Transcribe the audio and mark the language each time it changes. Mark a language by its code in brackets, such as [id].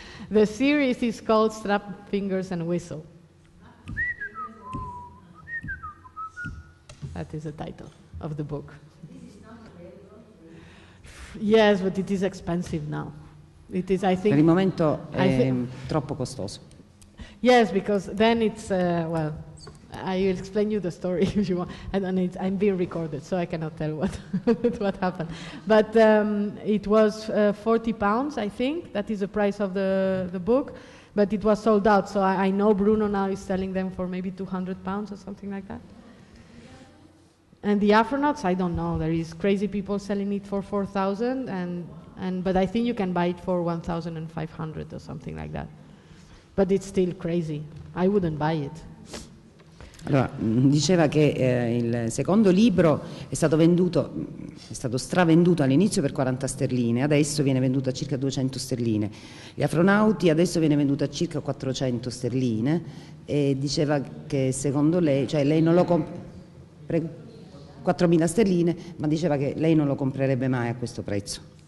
[en] The series is called Strap Fingers and Whistle. That is the title of the book. Yes, but it is expensive now. It is, I think. [it] Per il momento è troppo costoso. [en] Yes, because then it's well. I will explain you the story if you want. And it's, I'm being recorded, so I cannot tell what happened. But it was £40, I think. That is the price of the book. But it was sold out, so I know Bruno now is selling them for maybe £200 or something like that. And the Afronauts, I don't know. There is crazy people selling it for 4,000, but I think you can buy it for 1,500 or something like that. But it's still crazy. I wouldn't buy it. [it] Allora, diceva che il secondo libro è stato venduto, è stato stravenduto all'inizio per 40 sterline, adesso viene venduto a circa 200 sterline. Gli Afronauti adesso viene venduto a circa 400 sterline e diceva che secondo lei, cioè lei non lo compra 4.000 sterline, ma diceva che lei non lo comprerebbe mai a questo prezzo.